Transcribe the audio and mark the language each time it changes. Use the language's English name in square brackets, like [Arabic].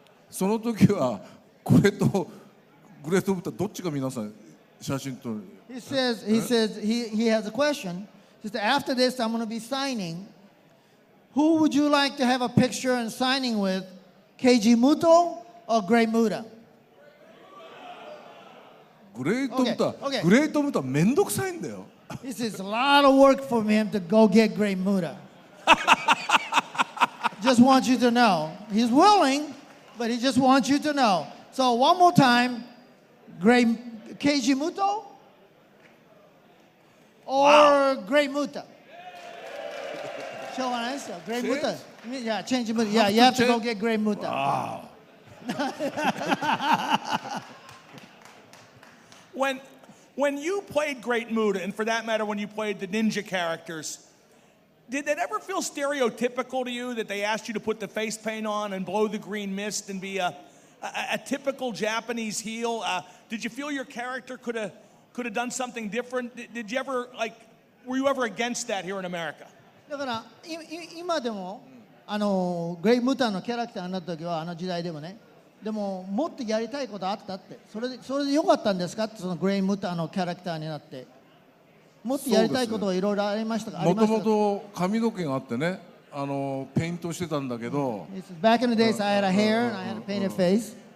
[Japanese] その時はこれとグレートブタどっちが皆さん写真撮る [English] He says he has a question. He says, after this, I'm going to be signing. Who would you like to have a picture and signing with? KG Muto or Great Muda? [Japanese] グレートブタ、グレートブタめんどくさいんだよ。 [English] He says, it's a lot of work for him to go get Great Muda. Just want you to know. He's willing, but he just wants you to know. So one more time,Great KG Muto or、wow. Great Muta? Show an answer. Great Muta. Yeah, change Muta. Yeah, you have to go get Great Muta. Wow. when you played Great Muta, and for that matter, when you played the ninja characters, did that ever feel stereotypical to you that they asked you to put the face paint on and blow the green mist and be a typical Japanese heel? Did you feel your character could have done something different? Did you ever, like, were you ever against that here in America? [Japanese] だから、今でも、あの、Great Muta のキャラクターになった時は、あの時代でもね、でも、もっとやりたいことあったって、それでよかったんですかって、その Great Muta のキャラクターになって、もっとやりたいことはいろいろありましたか、もともと髪の毛があってね、あの、ペイントしてたんだけど、 [English] Back in the days, I had a hair and I had a painted face.